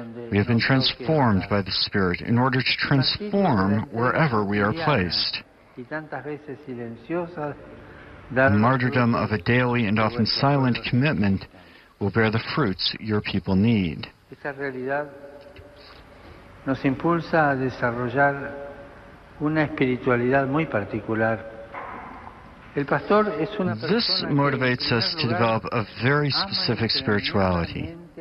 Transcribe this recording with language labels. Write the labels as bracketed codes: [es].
[en] We have been transformed by the Spirit in order to transform wherever we are placed. The martyrdom of a daily and often silent commitment will bear the fruits your people need. [es] Nos impulsa a desarrollar una espiritualidad muy particular. [en] This motivates us to develop a very specific spirituality.